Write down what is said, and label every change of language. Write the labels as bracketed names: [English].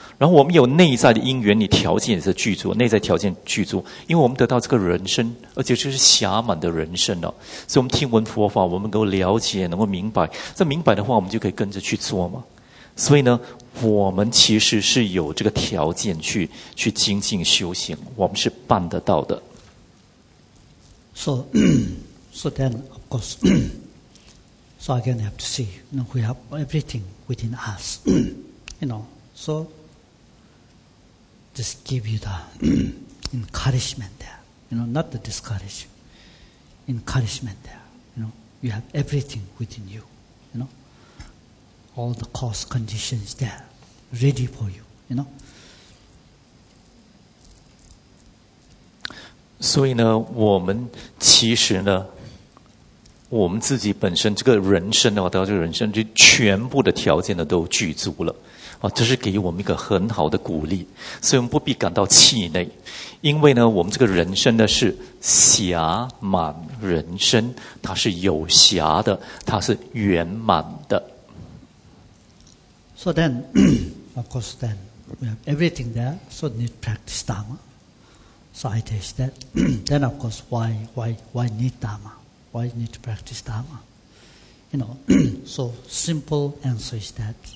[Chinese] 然后我们有内在的因缘，你条件也是具足，内在条件具足，因为我们得到这个人生，而且这是暇满的人生了，所以我们听闻佛法，我们能够了解，能够明白，这明白的话，我们就可以跟着去做嘛。所以呢，我们其实是有这个条件去精进修行，我们是办得到的。 [English] So then, of course, so again, have to see, you know, we have everything within us, you know, so. Just give you the encouragement there. You know, not the discouragement. Encouragement there. You know, you have everything within you. You know, all the cause conditions there, ready for you. You know. [Chinese] 所以呢，我们其实呢，我们自己本身这个人生的话，到这个人生，就全部的条件呢都具足了。这是给我们一个很好的鼓励，所以我们不必感到气馁，因为呢，我们这个人生呢是暇满人生，它是有暇的，它是圆满的。 [English] So then, of course, then we have everything there, so need practice Dharma. So I teach that. Then of course, why need Dharma? Why need to practice Dharma? You know, so simple answer is that.